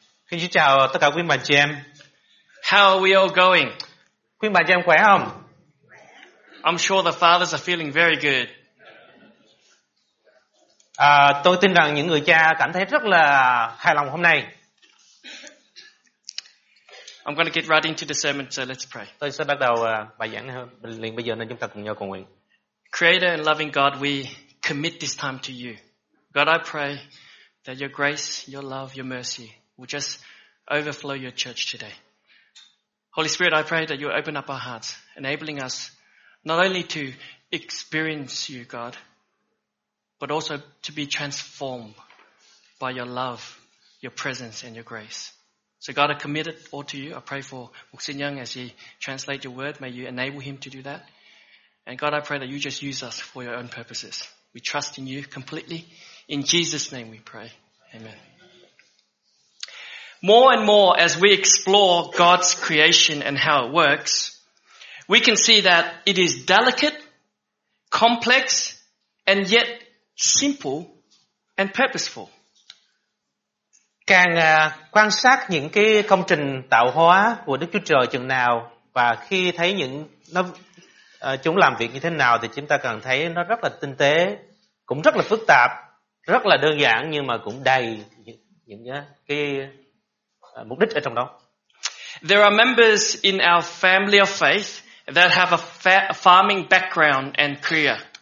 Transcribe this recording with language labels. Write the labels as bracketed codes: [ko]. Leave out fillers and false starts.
[vi] Xin chào tất cả quý bạn chị em. [en] How are we all going? [vi] Quý bạn chị em khỏe không? [en] I'm sure the fathers are feeling very good. [vi] Tôi tin rằng những người cha cảm thấy rất là hài lòng hôm nay. [en] I'm going to get right into the sermon, so let's pray. [vi] Tôi sẽ bắt đầu bài giảng liền bây giờ nên chúng ta cùng nhau cầu nguyện. [en] Creator and loving God, we commit this time to you. God, I pray that your grace, your love, your mercy will just overflow your church today. Holy Spirit, I pray that you open up our hearts, enabling us not only to experience you, God, but also to be transformed by your love, your presence, and your grace. So God, I commit it all to you. I pray for Mục Sinh Nhân as he translates your word. May you enable him to do that. And God, I pray that you just use us for your own purposes. We trust in you completely. In Jesus' name we pray. Amen. More and more as we explore God's creation and how it works, we can see that it is delicate, complex, and yet simple and purposeful. [vi] Càng quan sát những cái công trình tạo hóa của Đức Chúa Trời chừng nào và khi thấy những nó chúng làm việc như thế nào thì chúng ta càng thấy nó rất là tinh tế, cũng rất là phức tạp, rất là đơn giản nhưng mà cũng đầy những cái mục đích ở trong đó. [en] There are members in our family of faith that have a farming background and career.